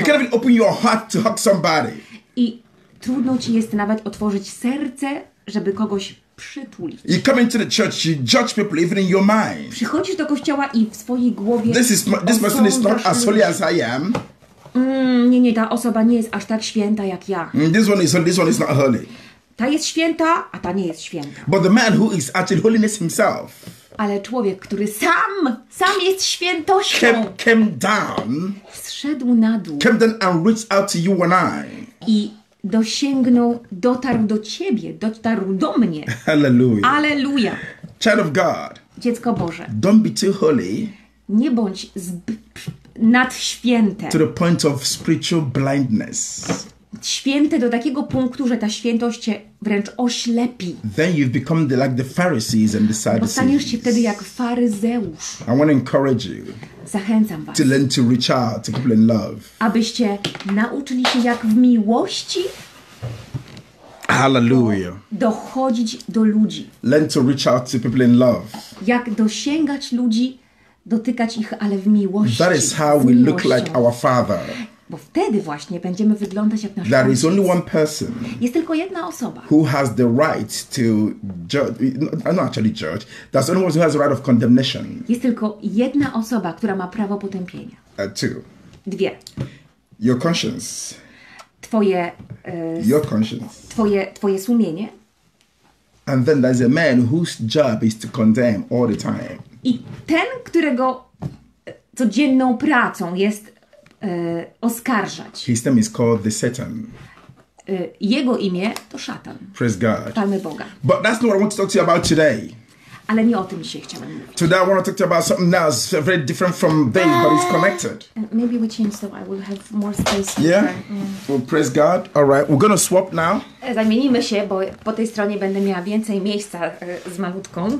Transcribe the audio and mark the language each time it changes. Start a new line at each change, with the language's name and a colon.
English: You can even open your heart to hug somebody.
Polish: I trudno ci jest nawet otworzyć serce, żeby kogoś przytulić.
English: You come into the church, you judge people even in your mind.
Polish: Przychodzisz do kościoła i w swojej głowie.
English: This person is not as holy as I am.
Polish: Nie, ta osoba nie jest aż tak święta jak ja.
English: This one is not holy.
Polish: Ta jest święta, a ta nie jest święta.
English: But the man who is actually holiness himself.
Polish: Ale człowiek, który sam jest świętością.
English: Came down.
Polish: Zszedł na dół.
English: Came down and reached out to you and I.
Polish: I dosięgnął, dotarł do ciebie, dotarł do mnie.
English: Hallelujah.
Polish: Alleluja.
English: Child of God.
Polish: Dziecko Boże.
English: Don't be too holy.
Polish: Nie bądź zbyt nadświęte.
English: To the point of spiritual blindness.
Polish: Święte do takiego punktu, że ta świętość cię wręcz oślepi.
English: Then you've become like the Pharisees and the Sadducees.
Polish: Staniesz się wtedy jak faryzeusz.
English: I want to encourage you.
Polish: Zachęcam was.
English: To learn to reach out to people in love.
Polish: Abyście nauczyli się jak w miłości.
English: Hallelujah.
Polish: Dochodzić do ludzi.
English: Learn to reach out to people in love.
Polish: Jak dosięgać ludzi, dotykać ich, ale w miłości.
English: That is how we look like our Father.
Polish: Bo wtedy właśnie będziemy wyglądać jak nasz
English: There is only one person.
Polish: Jest tylko jedna osoba.
English: Who has the right to judge? Not actually judge. There's only one who has the right of condemnation.
Polish: Jest tylko jedna osoba, która ma prawo potępienia.
English: Two.
Polish: Dwie.
English: Your conscience.
Polish: Twoje.
English: Your conscience.
Polish: Twoje sumienie.
English: And then there's a man whose job is to condemn all the time.
Polish: I ten, którego codzienną pracą jest oskarżać.
English: His name is called the Satan.
Polish: Jego imię to szatan.
English: Praise God.
Polish: Chwalmy Boga.
English: But that's not what I want to talk to you about today.
Polish: Ale nie o tym dzisiaj chciałam mówić.
English: Today I want to talk to you about something that's very different from this, but it's connected. Maybe we change so I will have more space. Yeah. Well, praise God. All right. We're gonna swap now.
Polish: Zamienimy się, bo po tej stronie będę miała więcej miejsca z malutką.